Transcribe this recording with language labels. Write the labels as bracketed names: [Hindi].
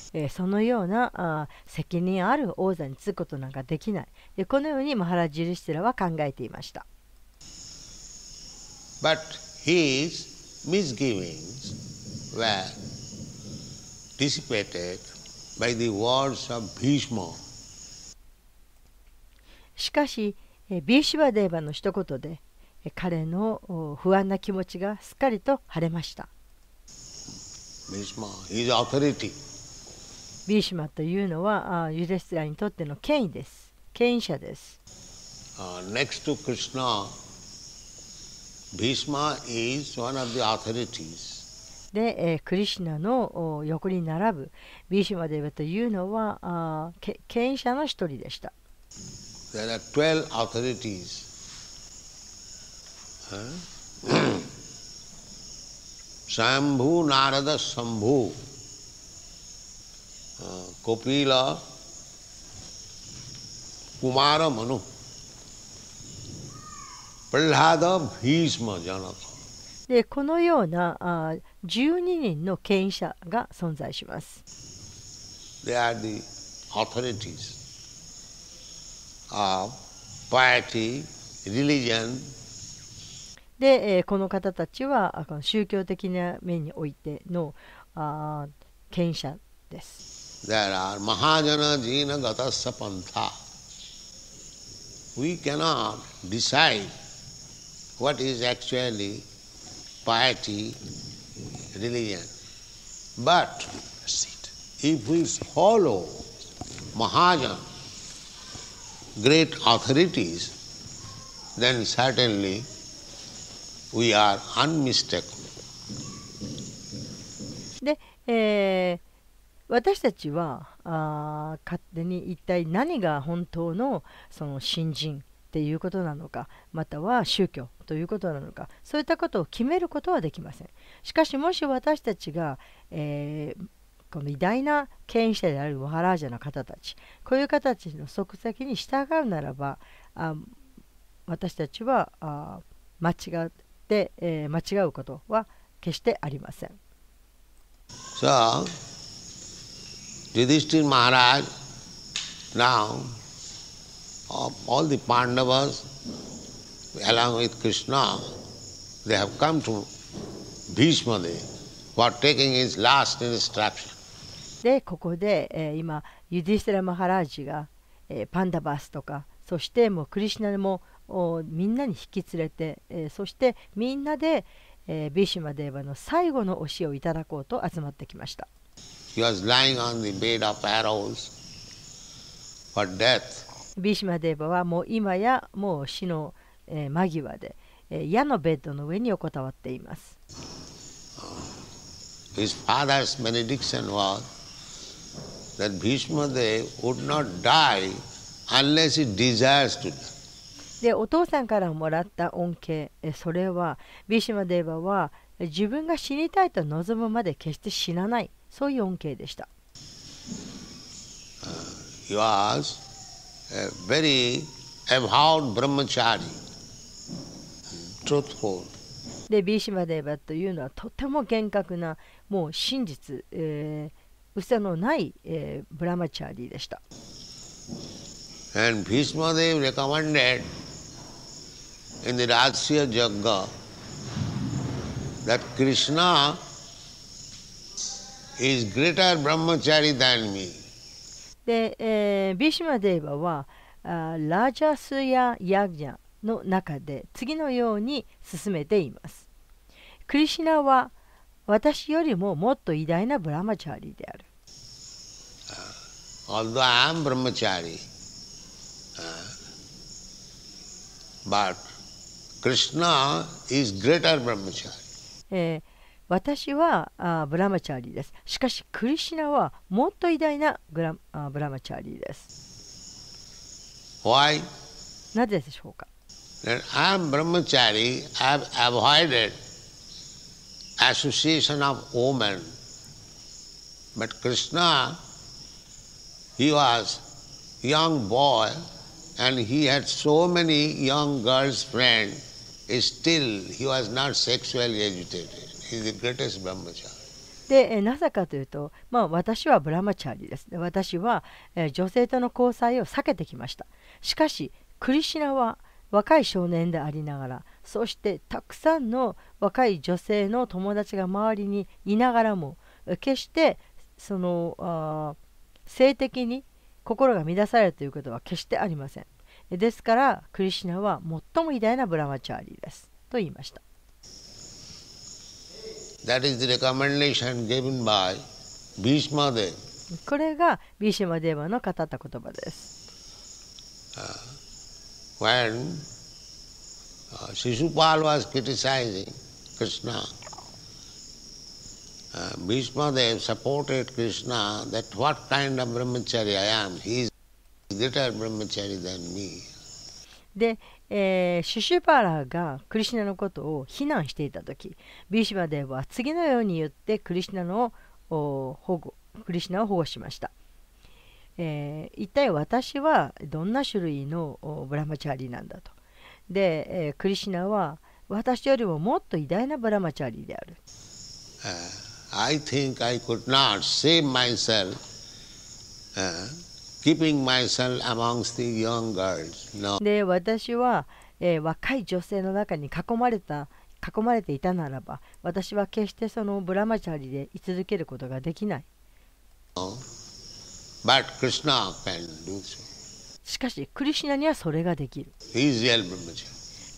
[Japanese] そのような責任ある王座に就くことなんかできない。このようにマハラジ・ユディシュティラは考えていました。 [English] But his misgivings were dissipated by the words of Bhishma. [Japanese] しかし、ビーシュバデーバの一言で彼の不安な気持ちがすっかりと晴れました。 [English] His authority. [Japanese] ビーシュマというのはユディシュティラにとっての権威です。権威者です。 [English] Next to Krishna, Bhishma is one of the authorities. [Japanese] で、クリシュナの横に並ぶビーシュマデヴァというのは権威者の一人でした。 [English] There are 12 authorities. Shambhu, Narada, Shambhu, Kapila, Kumara, Manu, Prahlada, Bhishma, Janaka. [Japanese] で、このような12人の権威者が存在します。 [English] They are the authorities of piety, religion, [Japanese] で、この方たちは宗教的な面においての権者です。 [English] There are [Sanskrit] Mahajana Jina Gatasya Pantha. [English] We cannot decide what is actually piety, religion. But if we follow Mahajana great authorities, then certainly we are unmistakable. [Japanese] で、私たちは勝手に一体何が本当のその信心っていうことなのか、または宗教ということなのか、そういったことを決めることはできません。しかしもし私たちが、この偉大な権威者であるマハラージャの方たち、こういう方たちの足跡に従うならば、私たちは間違って、間違うことは決してありません。 [English] So, Yudhishthira Maharaj, now, of all the Pandavas, along with Krishna, they have come to Bhishma Dev for taking his last instruction. [Japanese] でここで、今ユディステラ・マハラージが、パンダバスとかそしてもうクリシナもみんなに引き連れて、そしてみんなで、ビシュマ・デーバの最後の教えをいただこうと集まってきました。 [English] He was lying on the bed of arrows for death. [Japanese] ビシュマ・デーバはもう今やもう死の、間際で、矢のベッドの上に横たわっています。 [English] His father's benediction was that Bhishma Dev would not die unless he desires to die. [Japanese] で、お父さんからもらった恩恵、それは、ビシマデーバは自分が死にたいと望むまで決して死なない、そういう恩恵でした。 [English] He was a very avowed brahmachari, truthful. [Japanese] でビーシュマ・デーバというのはとても厳格なもう真実、嘘のない、ブラマチャーリーでした。 [English] And Bhishma Dev recommended in the Rahasya Yagya that Krishna is greater brahmachari than me. [Japanese] で、ビーシュマ・デーバはラージャスヤ・ヤグニャの中で次のように進めています。クリシナは私よりももっと偉大なブラマチャーリーである。 [English] Although I am brahmachari, but Krishna is greater brahmachari. [Japanese] 私はブラマチャーリーです。しかしクリシナはもっと偉大なブラマチャーリーです。 [English] Why? [Japanese] なぜでしょうか。 [English] That I am brahmachari, I have avoided. Association of women, but Krishna, he was young boy, and he had so many young girls friend. Still, he was not sexually agitated. He is the greatest brahmachari. [Japanese] で、なぜかというと、まあ私はブラマチャリです。私は、女性との交際を避けてきました。しかし、クリシナは若い少年でありながら、そしてたくさんの若い女性の友達が周りにいながらも、決してその性的に心が乱されるということは決してありません。ですから、クリシナは最も偉大なブラマチャーリーですと言いました。 [English] That is the recommendation given by Bhishma Dev. [Japanese] これがビシュマデーバの語った言葉です。 [English] When Shishupal was criticizing Krishna, Bhishma Dev supported Krishna that what kind of brahmachari I am, he is greater brahmachari than me. [Japanese] で、Shishupala がクリシナのことを非難していたとき、Bhishma Dev は次のように言ってクリシナの保護、クリシナを保護しました。一体私はどんな種類のブラマチャーリーなんだと。で、クリシナは私よりももっと偉大なブラマチャーリーである。 [English] I think I could not save myself, keeping myself amongst the young girls. No. [Japanese] で、私は、若い女性の中に囲まれていたならば、私は決してそのブラマチャリで居続けることができない。 [English] But Krishna can do so. [Japanese] しかし、クリシナにはそれができる。 [English] He is real Brahmachari.